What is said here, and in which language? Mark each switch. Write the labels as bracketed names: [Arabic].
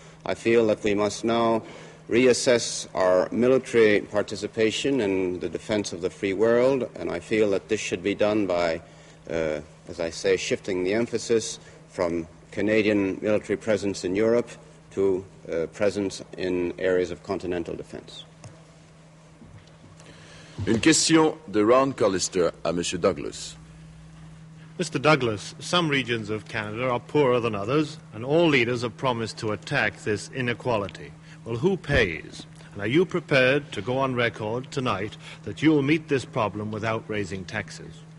[English] I feel that we must now reassess our military participation in the defense of the free world, and I feel that this should be done by, as I say, shifting the emphasis from Canadian military presence in Europe to presence in areas of continental defense. [French] Une question de Ron Collister à Monsieur Douglas. [English] Mr. Douglas, some regions of Canada are poorer than others, and all leaders have promised to attack this inequality. Well, who pays? And are you prepared to go on record tonight that you will meet this problem without raising taxes?